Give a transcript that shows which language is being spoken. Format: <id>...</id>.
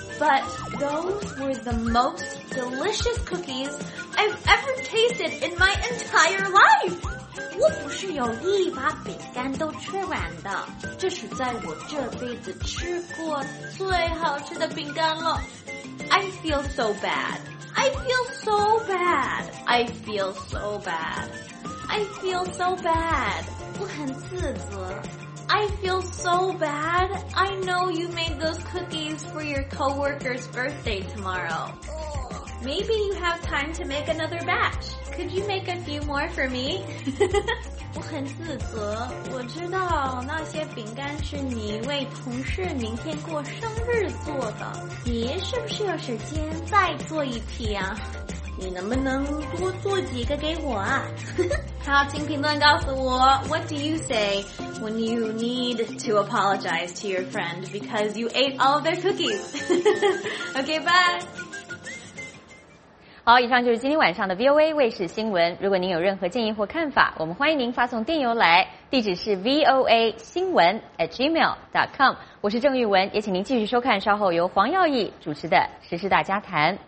<en>But those were the most delicious cookies I've ever tasted in my entire life.</en> <zh>我不是有意把饼干都吃完的，这是在我这辈子吃过最好吃的饼干了。</zh> <en>I feel so bad. I feel so bad. I feel so bad. I feel so bad.</en> <zh>我很自责。</zh> <en>I feel so bad. I know you made those cookies for your coworker's birthday tomorrow. Maybe you have time to make another batch. Could you make a few more for me?</en> <zh>我很自责，我知道那些饼干是你为同事明天过生日做的。你是不是有时间再做一批啊？你能不能多做几个给我啊？他请评论告诉我</zh> <en>What do you say when you need to apologize to your friend because you ate all of their cookies? Okay, bye.</en> <zh>好，以上就是今天晚上的 VOA 卫视新闻。如果您有任何建议或看法，我们欢迎您发送电邮来，地址是 voa 新闻@gmail.com。我是郑玉文，也请您继续收看稍后由黄耀毅主持的《时事大家谈》。</zh>